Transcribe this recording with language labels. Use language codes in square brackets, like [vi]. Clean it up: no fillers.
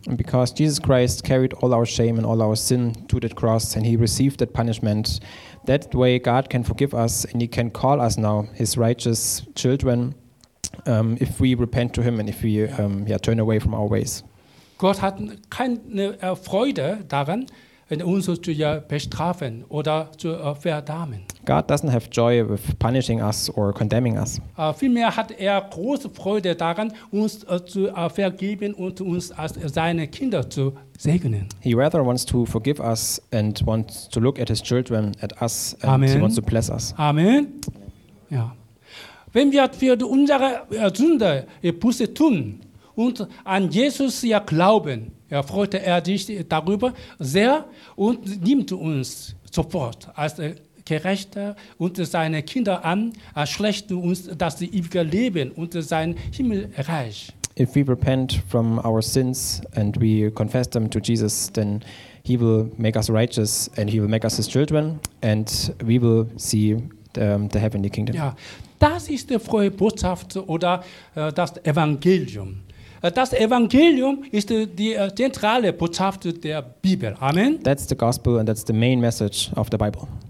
[en] And because Jesus Christ carried all our shame and all our sin to the cross and he received that punishment, that way God can forgive us and he can call us now his righteous children if we repent to him and if we turn away from our ways. [de] Gott hat keine Freude daran, uns zu bestrafen oder zu verdammen. [en] God doesn't have joy with punishing us or condemning us. [de] Vielmehr hat große Freude daran, uns zu vergeben und uns als seine Kinder zu segnen. [en] He rather wants to forgive us and wants to look at his children, at us, and Amen. He wants to bless us. [de] Amen. Ja. Wenn wir für unsere Sünde Buße tun und an Jesus glauben, freute sich darüber sehr und nimmt uns sofort als Gerechte und seine Kinder an, schlägt uns das ewige Leben und sein Himmelreich. [en] If we repent from our sins and we confess them to Jesus, then he will make us righteous and he will make us his children and we will see the heavenly kingdom. [de] Ja, das ist die frohe Botschaft oder das Evangelium. Das Evangelium ist die zentrale Botschaft der Bibel. Amen. [en] That's the gospel and that's the main message of the Bible.